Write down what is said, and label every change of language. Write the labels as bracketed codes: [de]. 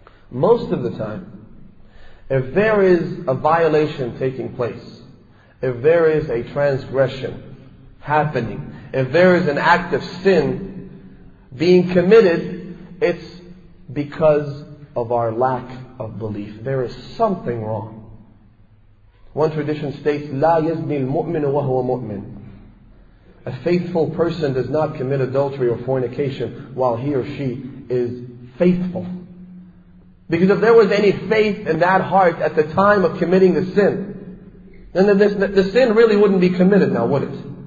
[en] Most of the time, if there is a violation taking place, if there is a transgression happening, if there is an act of sin being committed, it's because of our lack of belief. There is something wrong. One tradition states, [ar] لَا يَزْنِي الْمُؤْمِنُ وَهُوَ مُؤْمِنُ. [en] A faithful person does not commit adultery or fornication while he or she is faithful. Because if there was any faith in that heart at the time of committing the sin, then the sin really wouldn't be committed now, would it?